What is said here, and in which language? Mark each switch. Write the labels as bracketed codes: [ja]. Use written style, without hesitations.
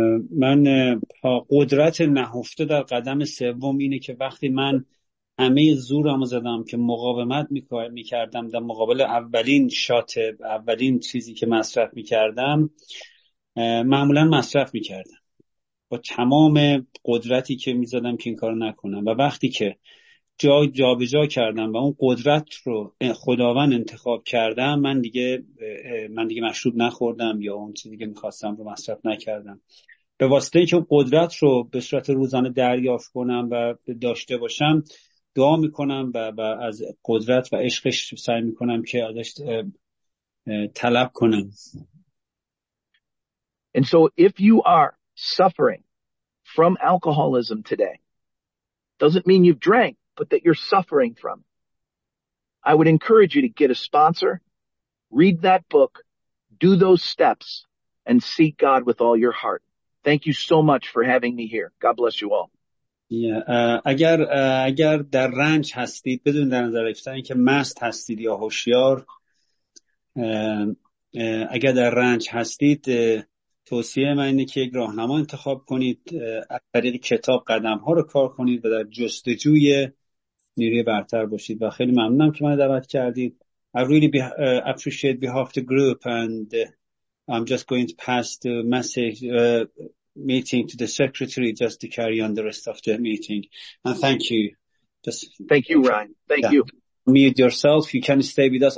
[fa] من قدرت نهفته در قدم سوم اینه که وقتی من همه زورم زدم که مقاومت میکردم در مقابل اولین شات، اولین چیزی که مصرف میکردم، معمولا مصرف میکردم با تمام قدرتی که میزدم که این کار نکنم، و وقتی که جا به جا کردم و اون قدرت رو خداوند انتخاب کردم، من دیگه مشروب نخوردم یا اون چیزی که میخواستم رو مصرف نکردم. به واسطه این که قدرت رو به صورت روزانه دریافت کنم و داشته باشم، دعا میکنم و از قدرت و عشقش سعی میکنم که ازش طلب کنم. [en] And so if you are suffering from alcoholism today, doesn't mean you've drank, but that you're suffering from it. I would encourage you to get a sponsor, read that book, do those steps, and seek God with all your heart. Thank you so much for having me here. God bless you all. [fa] اگر در رنج هستید، بدون در نظر گرفتن که مست هستید یا هوشیار، اگر در رنج هستید، توصیه من اینه که یک راهنما انتخاب کنید، از طریق کتاب قدم ها رو کار کنید و در جستجوی نیروی برتر باشید. و خیلی ممنونم که من دعوت کردید. [en] I really appreciate behalf of the group, and I'm just going to pass the message meeting to the secretary just to carry on the rest of the meeting, and thank you. Just thank you, Ryan. Thank you. Mute yourself. You can stay with us.